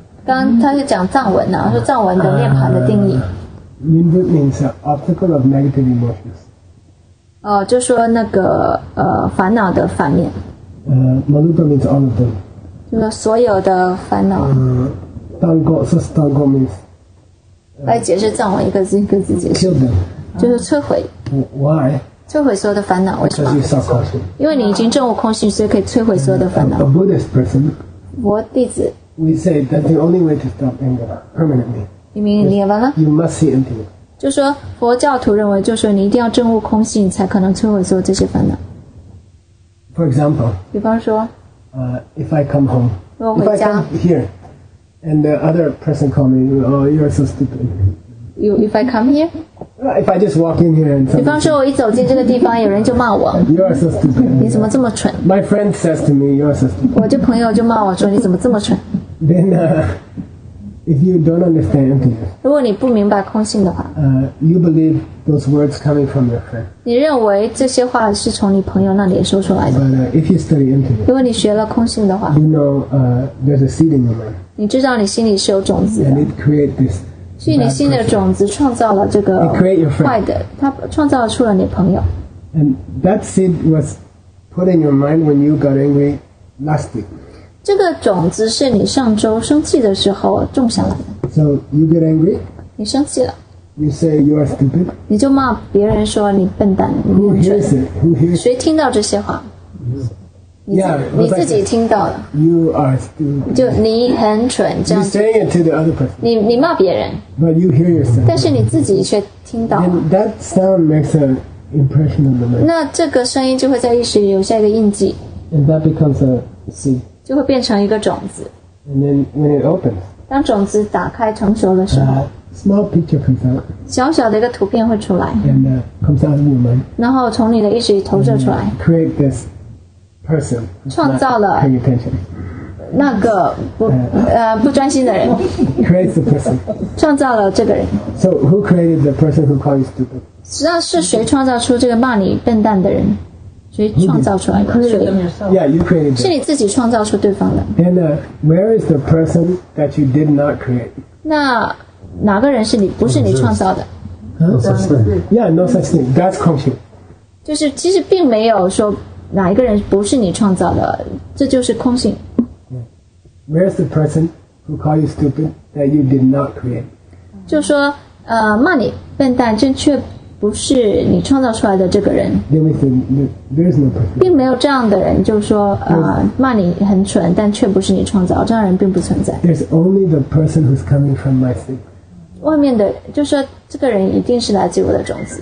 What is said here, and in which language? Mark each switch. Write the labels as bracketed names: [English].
[Chinese] 刚他是讲藏文呢，说藏文的涅槃的定义。 [English] Nirvana means an obstacle of negative emotions. [Chinese] 哦，就说那个烦恼的反面。 [English] Malupa means all of them. [Chinese] 就说所有的烦恼。 [English] Dango means. [Chinese] 来解释藏文一个字解释。 [English] Kill them. [Chinese] 就是摧毁。 [English] Why? [Chinese] 摧毁所有的烦恼，为什么？因为你已经证悟空性，所以可以摧毁所有的烦恼。 [English] A Buddhist person, [Chinese] 佛弟子 [English] we say that's the only way to stop anger permanently. [Chinese] 你明白了吗 [English] ？You must see emptiness. [Chinese] 就说佛教徒认为，就说你一定要证悟空性，才可能摧毁所有这些烦恼。 [English] For example, [Chinese] 比方说 [English] ，if I come home, [Chinese] 如果回家 [English] if I come here, and the other person call me, oh, you're so stupid. If I come here, if I just walk in here and [Chinese] 比方说，我一走进这个地方，有人就骂我。 [English] You are so stupid. [Chinese] 你怎么这么蠢 [English] ？My friend says to me, "You are so stupid." [Chinese] 我这朋友就骂我说，你怎么这么蠢 [English] ？Then, if you don't understand emptiness, [Chinese] 如果你不明白空性的话 [English] ，you believe those words coming from your friend. [Chinese] 你认为这些话是从你朋友那里说出来的 [English] ？But if you study emptiness, [Chinese] 如果你学了空性的话 [English] ，you know, there's a seed in your mind. [Chinese] 你知道你心里是有种子的。 [English] And it creates this. [Chinese] 所以你新的种子创造了这个坏的，它创造出了你朋友。 [English] And that seed was put in your mind when you got angry last week. [Chinese] 这个种子是你上周生气的时候种下来的。 [English] So you get angry. [Chinese] 你生气了。 [English] You say you are stupid. [Chinese] 你就骂别人说你笨蛋。 [English] Who hears it? Who hears? [Chinese] 谁听到这些话？ [English] Yeah, [Chinese] 你自己听到了。 [English] You are stupid. [Chinese] 就你很蠢，这样子。 [English] You say it to the other person. [Chinese] 你骂别人。 [English] But you hear yourself. [Chinese] 但是你自己却听到了。 [English] And that sound makes an impression on the mind. [Chinese] 那这个声音就会在意识里留下一个印记。 [English] And that becomes a seed. [Chinese] 就会变成一个种子。 [English] And then when it opens. [Chinese] 当种子打开成熟的时候。 [English] Small picture comes out. [Chinese] 小小的一个图片会出来。 [English] And comes out of your mind. [Chinese] 然后从你的意识里投射出来。 [English] Create this. [Chinese] 创造了那个不专心的人。 [English] Creates the person. [Chinese] 创造了这个人。 [English] So who created the person who called you stupid? [Chinese] 实际上是谁创造出这个骂你笨蛋的人？谁创造出来的？谁 [English] ？Yeah, you created. [Chinese] 是你自己创造出对方的。 [English] And where is the person that you did not create? [Chinese] 那哪个人是你？不是你创造的。 [English] Yeah, no such thing. That's conscious. [Chinese] 就是其实并没有说。哪一个人不是你创造的？这就是空性。 [English] Where's the person who called you stupid that you did not create? [Chinese] 就说骂你笨蛋，这却不是你创造出来的这个人。 [English] There's no person. [Chinese] 并没有这样的人，就说骂你很蠢，但却不是你创造，这样的人并不存在。 [English] There's only the person who's coming from my seed. [Chinese] 外面的，就说这个人一定是来自我的种子。